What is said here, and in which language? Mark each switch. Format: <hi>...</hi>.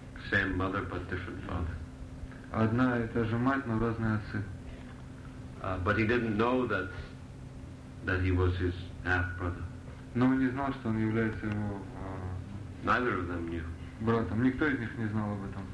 <en>Same mother but different father.</en> <ru>Одна и та же мать, но разные отцы.</ru> <en>But he didn't know that he was his half brother.</en> <ru>Но он не знал, что он является его.</ru> <en>Neither of them knew.</en> <ru>Братом. Никто из них не знал об этом.</ru>